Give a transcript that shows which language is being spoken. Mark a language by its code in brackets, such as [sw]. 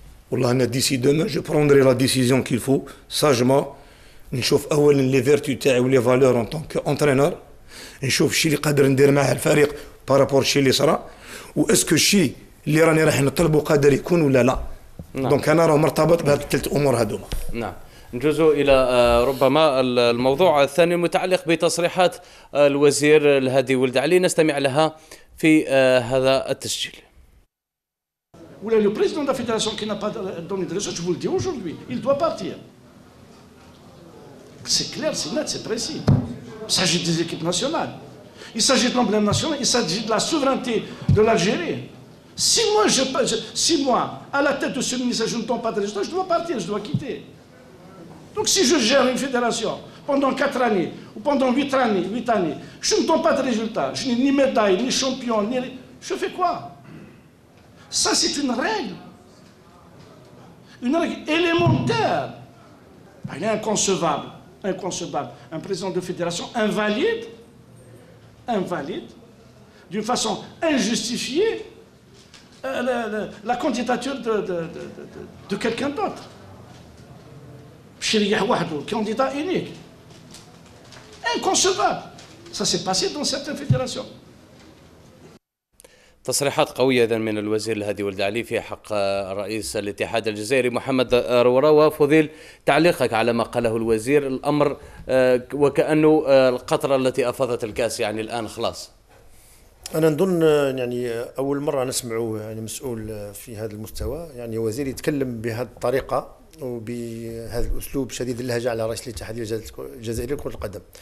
[ar] والله انا ديسي [fr] demain je prendrai la décision qu'il faut sagement [ar] نشوف اولا لي فيرتو تاعي ولي فالور ان طونك انترينور نشوف الشيء اللي قادر ندير معاه الفريق بارابور الشيء اللي صرا واسكو الشيء اللي راني راح نطلبه قادر يكون ولا لا دونك انا راه مرتبط بهذ الثلاث امور هذوما نجوز الى ربما الموضوع الثاني المتعلق بتصريحات الوزير الهادي ولد علي نستمع لها في هذا التسجيل [fr] Ou le président de la fédération qui n'a pas donné de résultat, je vous le dis aujourd'hui, il doit partir. C'est clair, c'est net, c'est précis. Il s'agit des équipes nationales. Il s'agit de l'emblème national, il s'agit de la souveraineté de l'Algérie. Si moi, à la tête de ce ministère, je ne donne pas de résultat, je dois partir, je dois quitter. Donc si je gère une fédération pendant 4 années, ou pendant 8 années, je ne donne pas de résultat, je n'ai ni médaille, ni champion, ni... je fais quoi ? Ça, c'est une règle élémentaire. Elle est inconcevable, inconcevable. Un président de fédération invalide, d'une façon injustifiée, la candidature de quelqu'un d'autre. [ar] Chiriyah Wahdou, [fr] candidat unique. Inconcevable. Ça s'est passé dans certaines fédérations. [ar] تصريحات قوية إذن من الوزير الهادي ولد علي في حق رئيس الاتحاد الجزائري محمد روراوة فضيل تعليقك على ما قاله الوزير الأمر وكأنه القطرة التي أفاضت الكأس يعني الآن خلاص انا نظن يعني اول مره نسمعوا يعني مسؤول في هذا المستوى يعني وزير يتكلم بهذه الطريقه وبهذا الاسلوب شديد اللهجه على رئيس الاتحاد الجزائري لكره القدم.